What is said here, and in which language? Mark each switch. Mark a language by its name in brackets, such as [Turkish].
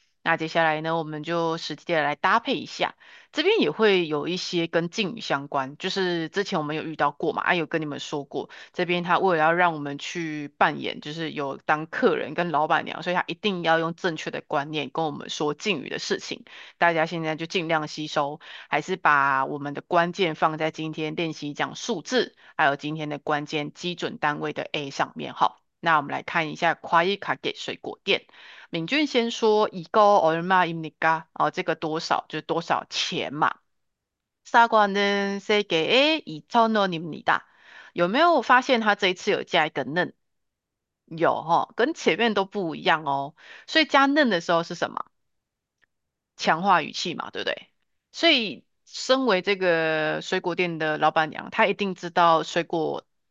[Chinese] 那接下来呢，我们就实际的来搭配一下，这边也会有一些跟敬语相关，就是之前我们有遇到过嘛，啊，有跟你们说过，这边他为了要让我们去扮演，就是有当客人跟老板娘，所以他一定要用正确的观念跟我们说敬语的事情，大家现在就尽量吸收，还是把我们的关键放在今天练习讲数字，还有今天的关键基准单位的 A 上面，好。那我们来看一下夸一卡给水果店，敏俊先说 [Korean] 이거얼마입니까？ [Chinese] 哦，这个多少就是多少钱嘛。 [Korean] 사과는세개에2,000원입니다。 [Chinese] 有没有发现他这一次有加一个嫩？有哦，跟前面都不一样哦。所以加嫩的时候是什么？强化语气嘛，对不对？所以身为这个水果店的老板娘，她一定知道水果。